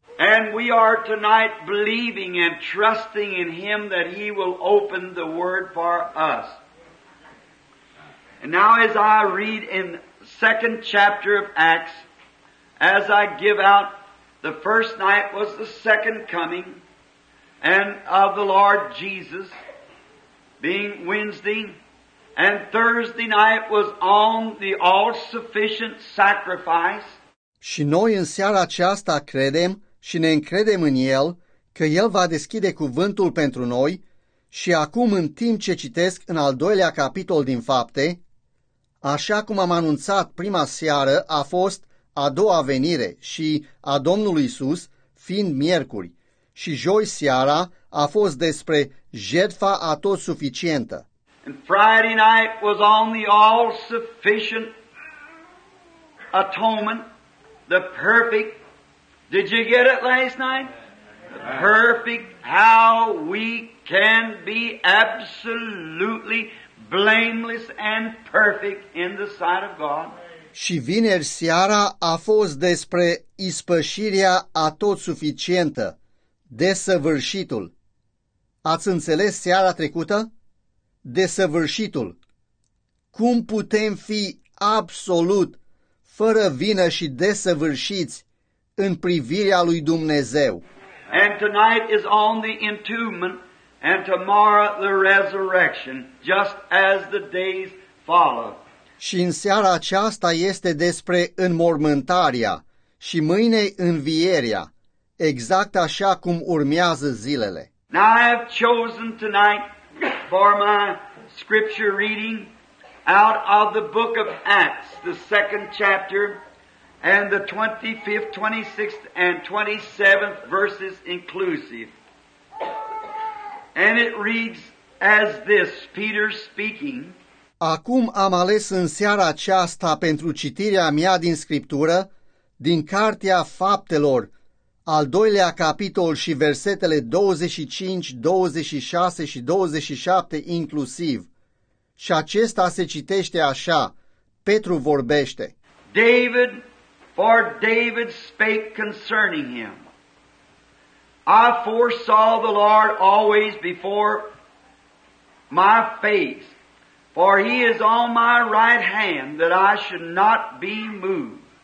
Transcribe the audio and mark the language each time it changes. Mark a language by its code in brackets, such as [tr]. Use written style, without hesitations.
[en] And we are tonight believing and trusting in Him that He will open the Word for us. And now as I read in second chapter of Acts, as I give out, the first night was the second coming and of the Lord Jesus, being Wednesday, and Thursday night was on the all-sufficient sacrifice. [ro] Și noi în seara aceasta credem și ne încredem în El că El va deschide cuvântul pentru noi și acum în timp ce citesc în al doilea capitol din Fapte, așa cum am anunțat prima seară, a fost a doua venire și a Domnului Iisus fiind miercuri și joi seara a fost despre jertfa a tot suficientă. [en] And Friday night was on the all sufficient atonement, the perfect. Did you get it last night? Perfect, how we can be absolutely blameless and perfect in the sight of God. [ro] Și vineri seara a fost despre ispășirea atot suficientă, desăvârșitul. Ați înțeles seara trecută? Desăvârșitul. Cum putem fi absolut, fără vină și desăvârșiți în privirea lui Dumnezeu? [en] And tonight is on the entombment and tomorrow the resurrection, just as the days follow. [ro] Și în seara aceasta este despre înmormântarea și mâine învierea, exact așa cum urmează zilele. [en] Now I have chosen tonight for my scripture reading out of the book of Acts, the second chapter, and the 25th, 26th, and 27th verses inclusive. And it reads as this, Peter speaking. [ro] Acum am ales în seara aceasta pentru citirea mea din Scriptură, din Cartea Faptelor, al doilea capitol și versetele 25, 26 și 27 inclusiv. Și acesta se citește așa, Petru vorbește. [en] David, for David spake concerning him, I foresaw the Lord always before my face, for he is on my right hand, that I should not be moved.